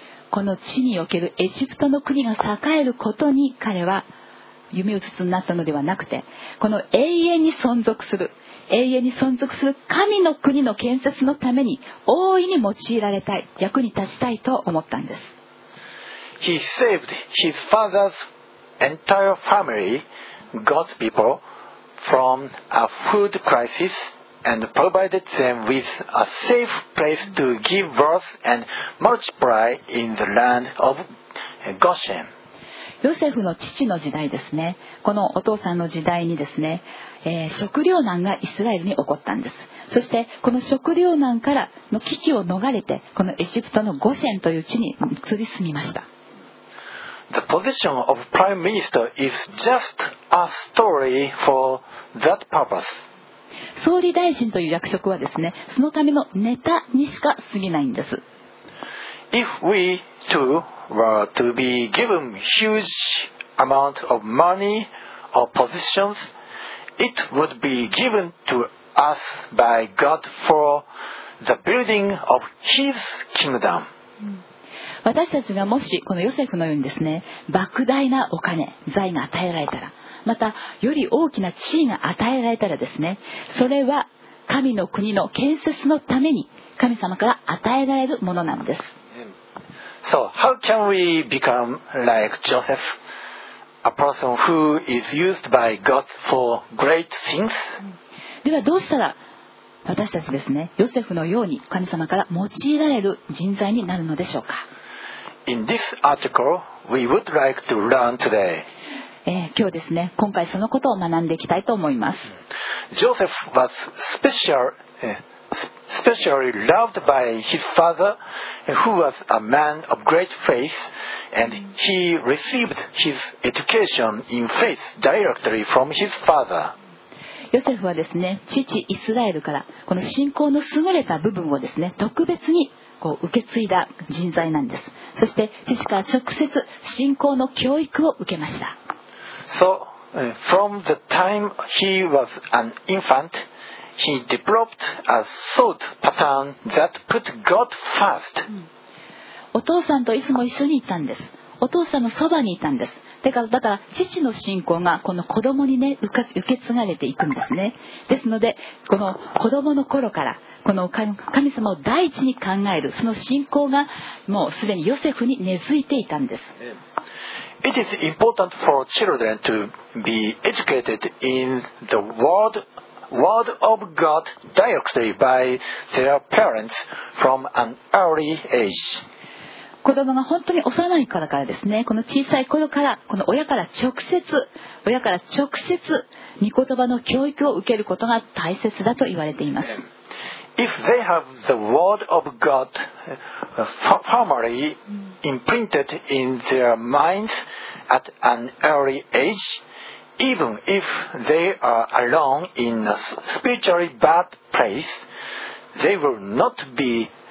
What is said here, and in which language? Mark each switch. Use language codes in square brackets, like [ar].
[ja] この地におけるエジプトの国が栄えることに彼は夢うつつになったのではなくて、この永遠に存続する、永遠に存続する神の国の建設のために大いに用いられたい、役に立ちたいと思ったんです。 [en] He saved his father's entire family, God's people, from a food crisis and provided them with a safe place to give birth and multiply in the land of Goshen. [ja] ヨセフの父の時代ですね、このお父さんの時代にですね、食糧難がイスラエルに起こったんです。そしてこの食糧難からの危機を逃れて、このエジプトのゴシェンという地に移り住みました。 [en] The position of prime minister is just a story for that purpose. [ja] 総理大臣という役職はですね、そのためのネタにしか過ぎないんです。 [en] If we toWere to be given huge amount of money or positions, it would be given to us by God for the building of His kingdom. [ja] 私たちがもしこのヨセフのようにですね、莫大なお金、財が与えられたら、またより大きな地位が与えられたらですね、それは神の国の建設のために神様から与えられるものなんです。 [en] So, how can we become like Joseph, a person who is used by God for great things? [ja] ではどうしたら私たちですね、ヨセフのように神様から用いられる人材になるのでしょうか。 [en] In this article, we would like to learn today. [ja] 今日ですね、今回そのことを学んでいきたいと思います。 [en] Joseph was specially loved by his father, who was a man of great faith, and he received his education in faith directly from his father. [ja] ヨセフはですね、父イスラエルからこの信仰の優れた部分をですね、特別にこう受け継いだ人材なんです。そして父から直接信仰の教育を受けました。 [en] So, from the time he was an infant,He developed a thought pattern that put God first. [ja] お父さんといつも一緒にいたんです。お父さんのそばにいたんです。だから父の信仰がこの子供にね、受け継がれていくんですね。ですので、この子供の頃からこの神様を第一に考える、その信仰がもうすでにヨセフに根付いていたんです。 [en] It is important for children to be educated in the word of God directly by their parents from an early age. [ja] 子供が本当に幼いからからですね、この小さい頃からこの親から直接御言葉の教育を受けることが大切だと言われています。 [en] If they have the word of God firmly imprinted in their minds at an early ageEven if they are alone in a spiritually bad place, they will not be